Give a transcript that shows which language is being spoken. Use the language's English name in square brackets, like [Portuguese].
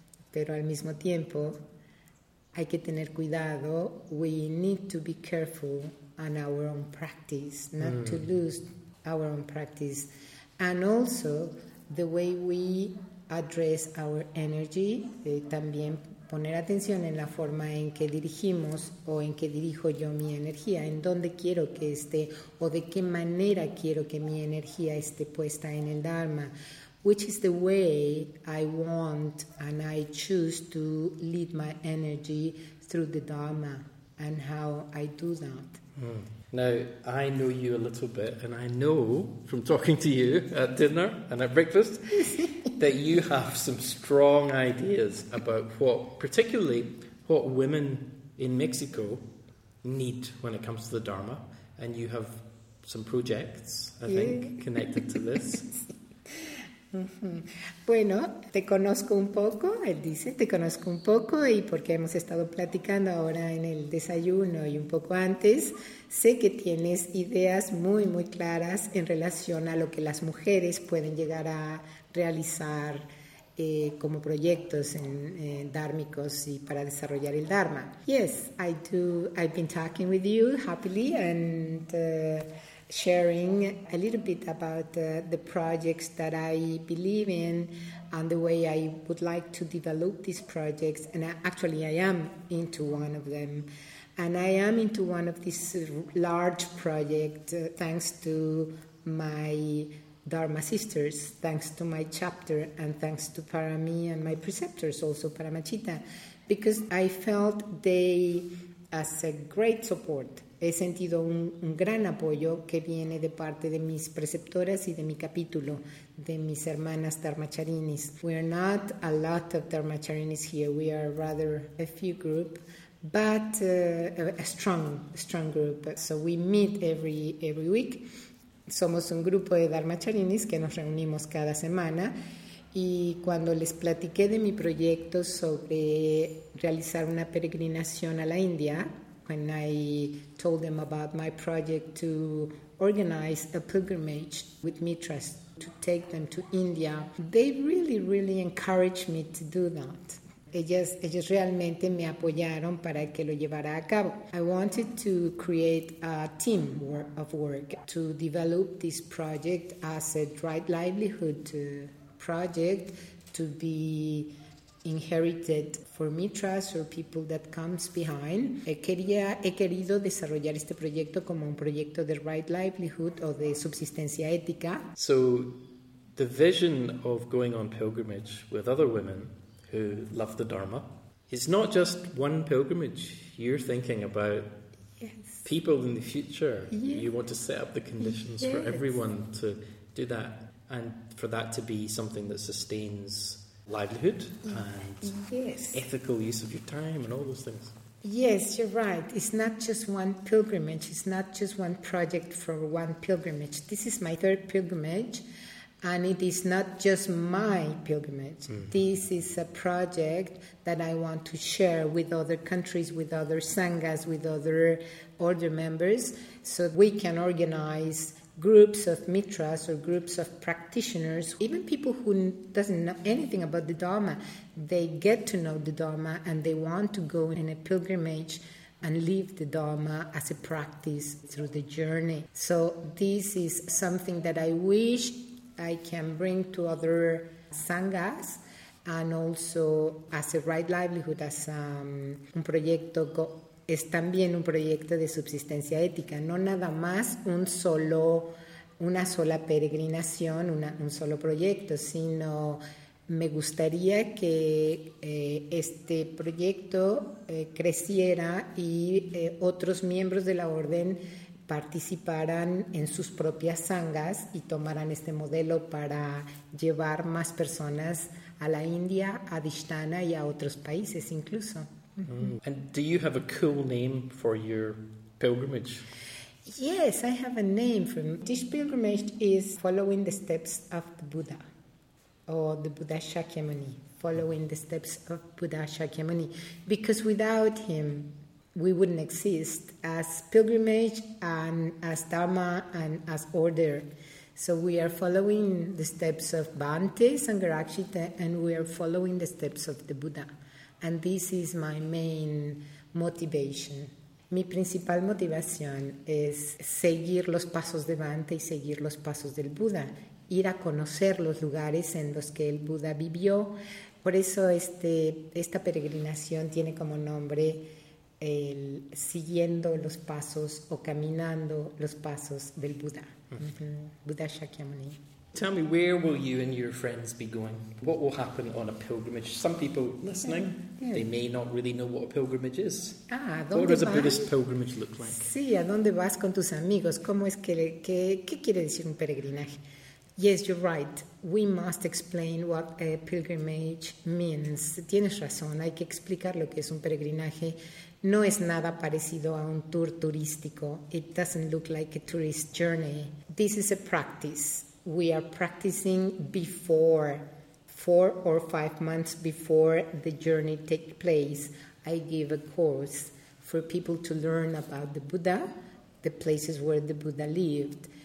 [Spanish] Pero al mismo tiempo, hay que tener cuidado. [English] We need to be careful on our own practice, not to lose our own practice. And also, the way we address our energy, [Spanish] también poner atención en la forma en que dirigimos o en que dirijo yo mi energía, en dónde quiero que esté o de qué manera quiero que mi energía esté puesta en el Dharma. [English] Which is the way I want and I choose to lead my energy through the Dharma and how I do that. Now, I know you a little bit, and I know from talking to you at dinner and at breakfast that you have some strong ideas about what, particularly, what women in Mexico need when it comes to the Dharma, and you have some projects, I think, connected to this. [Spanish] Bueno, te conozco un poco, él dice, te conozco un poco y porque hemos estado platicando ahora en el desayuno y un poco antes, sé que tienes ideas muy, muy claras en relación a lo que las mujeres pueden llegar a realizar como proyectos en dármicos y para desarrollar el Dharma. [English] Yes, I do. I've been talking with you happily and sharing a little bit about the projects that I believe in and the way I would like to develop these projects. And I am into one of them. And I am into one of these large projects thanks to my Dharma sisters, thanks to my chapter, and thanks to Parami and my preceptors, also Paramachita, because I felt they as a great support. [Spanish] He sentido un gran apoyo que viene de parte de mis preceptoras y de mi capítulo, de mis hermanas dharmacharinis. [English] We are not a lot of dharmacharinis here. We are rather a few group, but a strong group. So we meet every week. [Spanish] Somos un grupo de dharmacharinis que nos reunimos cada semana. Y cuando les platiqué de mi proyecto sobre realizar una peregrinación a la India, [English] when I told them about my project to organize a pilgrimage with Mitras to take them to India, they really, really encouraged me to do that. [Spanish] Ellos realmente me apoyaron para que lo llevara a cabo. [English] I wanted to create a team of work to develop this project as a dry livelihood project to be inherited for Mitras or people that comes behind. [Spanish] He querido desarrollar este proyecto como un proyecto de right livelihood o de subsistencia ética. [English] So the vision of going on pilgrimage with other women who love the Dharma, it's not just one pilgrimage. You're thinking about people in the future. Yes. You want to set up the conditions for everyone to do that and for that to be something that sustains livelihood and ethical use of your time and all those things. Yes, you're right. It's not just one pilgrimage. It's not just one project for one pilgrimage. This is my third pilgrimage and it is not just my pilgrimage. Mm-hmm. This is a project that I want to share with other countries, with other sanghas, with other order members so we can organize groups of mitras or groups of practitioners, even people who doesn't know anything about the Dharma, they get to know the Dharma and they want to go in a pilgrimage and live the Dharma as a practice through the journey. So this is something that I wish I can bring to other sanghas and also as a right livelihood, as [Spanish] un proyecto es también un proyecto de subsistencia ética, no nada más una sola peregrinación, un solo proyecto, sino me gustaría que este proyecto creciera y otros miembros de la orden participaran en sus propias sanghas y tomaran este modelo para llevar más personas a la India, a Dishtana y a otros países incluso. Mm. [English] And do you have a cool name for your pilgrimage? Yes, I have a name for it. This pilgrimage is following the steps of the Buddha, or the Buddha Shakyamuni, following the steps of Buddha Shakyamuni, because without him, we wouldn't exist as pilgrimage and as Dharma and as order. So we are following the steps of Bhante Sangharakshita, and we are following the steps of the Buddha. And this is my main motivation. [Spanish] Mi principal motivación es seguir los pasos de Bhante y seguir los pasos del Buda, ir a conocer los lugares en los que el Buda vivió. Por eso esta peregrinación tiene como nombre el siguiendo los pasos o caminando los pasos del Buda. Mm-hmm. Buddha Shakyamuni. [English] Tell me, where will you and your friends be going? What will happen on a pilgrimage? Some people listening, they may not really know what a pilgrimage is. Ah, what does a Buddhist pilgrimage look like? [Spanish] Sí, ¿a dónde vas con tus amigos? ¿Cómo es qué quiere decir un peregrinaje? [English] Yes, you're right. We must explain what a pilgrimage means. [Spanish] Tienes razón, hay que explicar lo que es un peregrinaje. No es nada parecido a un tour turístico. [English] It doesn't look like a tourist journey. This is a practice. We are practicing before, 4 or 5 months before the journey takes place. I give a course for people to learn about the Buddha, the places where the Buddha lived.